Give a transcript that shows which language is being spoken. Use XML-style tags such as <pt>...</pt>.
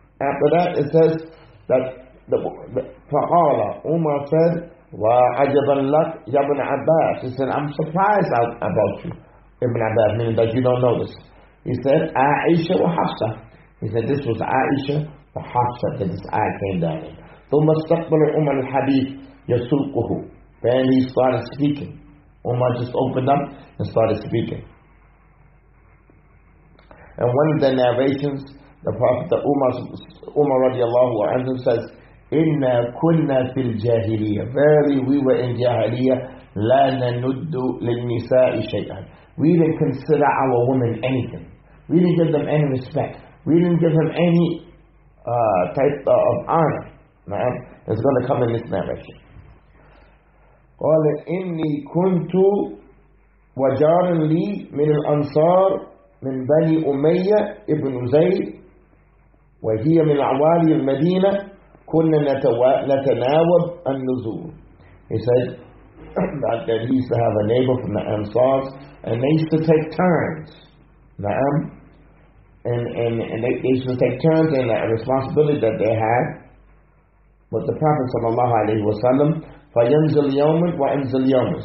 <en>After that, it says that the فقال عمر said, وعجبا لك يا ابن عباس. He said, I'm surprised about you, Ibn Abbas, meaning that you don't know this. He said, Aisha wa Hafsa. He said, this was Aisha wa Hafsa that this ayah came down in.</en> <ar>ثم استقبل عمر الحديث يسلقه.</ar> <en>Then he started speaking. Umar just opened up and started speaking. And one of the narrations, the Prophet Umar radiallahu anhu says, Inna kunna fil jahiliyyah. Verily, we were in jahiliyyah. La nanuddu lil nisa'i shay'an. We didn't consider our women anything. We didn't give them any respect. We didn't give them any type of honor. It's going to come in this narration.</en> <ar>قال إني كنت وجار لي من الأنصار من بني أمية ابن زيد وهي من عوالي المدينة كنا نتناوب النزول.</ar> <en>He said that he used to have a neighbor from the Ansar and they used to take turns.</en> <ar>نعم.</ar> <en>And they used to take turns in the responsibility that they had with the Prophet صلى الله عليه وسلم.</en> <ar>فَيَنْزِلْ يَوْمًا وَأَنْزِلْ يَوْمًا.</ar>